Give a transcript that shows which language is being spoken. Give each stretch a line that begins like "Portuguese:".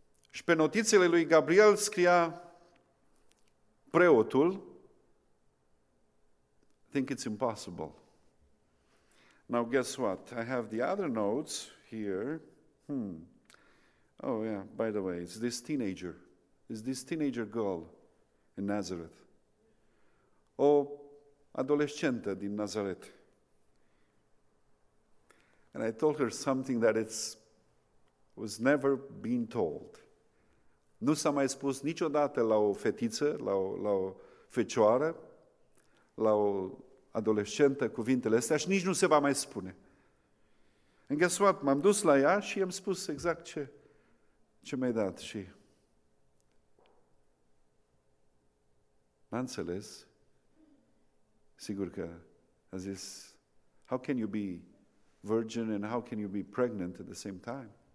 Romanian: Și pe notițele lui Gabriel scria preotul,
English: I think it's impossible. Now guess what? I have the other notes here. Oh yeah, by the way, it's this teenager girl in Nazareth.
Romanian: O adolescentă din Nazaret.
English: And I told her something that was never been told.
Romanian: Nu s-a mai spus niciodată la o fetiță, la o fecioară, la o adolescentă cuvintele astea și nici nu se va mai spune.
English: And guess what?
Romanian: M-am dus la ea și i-am spus exact ce mi-ai dat și n-a înțeles. Sigur că a zis,
English: how can you be virgin and how can you be pregnant at the same time?